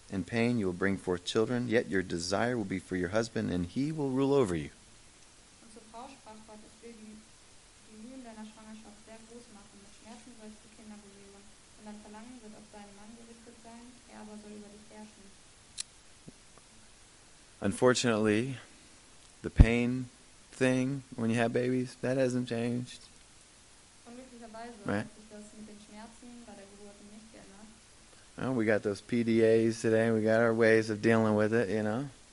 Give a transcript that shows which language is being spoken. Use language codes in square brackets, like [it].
[en] In pain you will bring forth children, yet your desire will be for your husband, and he will rule over you. [de] Und zur Frau sprach Gott, ich will die Mühen deiner Schwangerschaft sehr groß machen, mit Schmerzen sollst du Kinder gebären, und dein Verlangen wird auf deinen Mann gerichtet sein, er aber soll über dich herrschen. [en] Unfortunately, the pain thing, when you have babies, that hasn't changed. [de] Unglücklicherweise hat sich das mit den Schmerzen bei der Geburt nicht geändert. [en] Well, we got those PDAs today. We got our ways of dealing with it, you know.